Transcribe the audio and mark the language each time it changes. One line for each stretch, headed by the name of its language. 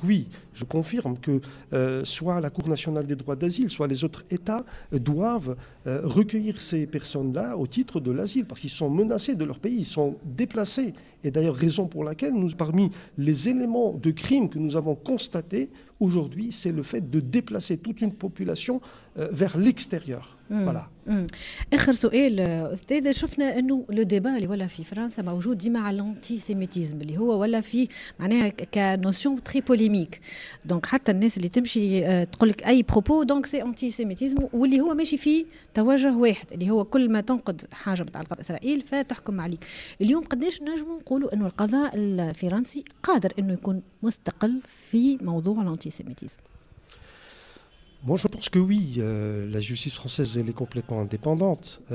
French: Oui, je confirme que soit la Cour nationale des droits d'asile, soit les autres États doivent recueillir ces personnes-là au titre de l'asile parce qu'ils sont menacés de leur pays, ils sont déplacés. Et d'ailleurs, raison pour laquelle, nous, parmi les éléments de crime que nous avons constatés aujourd'hui, c'est le fait de déplacer toute une population vers l'extérieur.
Arabic: اخر سؤال استاذ شفنا انه لو ديبا اللي ولا في فرنسا موجود ديما على الانتي سيميتيزم اللي هو ولا فيه معناها
French: كنوسيون تري بوليميك
Arabic: دونك حتى الناس اللي تمشي تقول لك
French: اي بروبو دونك سي انتي سيميتيزم
Arabic: واللي هو ماشي فيه توجه واحد اللي هو كل ما تنقد حاجه متعلقه باسرائيل فتحكم عليك اليوم قداش نجموا نقولوا انه القضاء الفرنسي قادر انه يكون مستقل في موضوع الانتي سيميتيزم.
French: Moi, je pense que oui, la justice française, elle est complètement indépendante.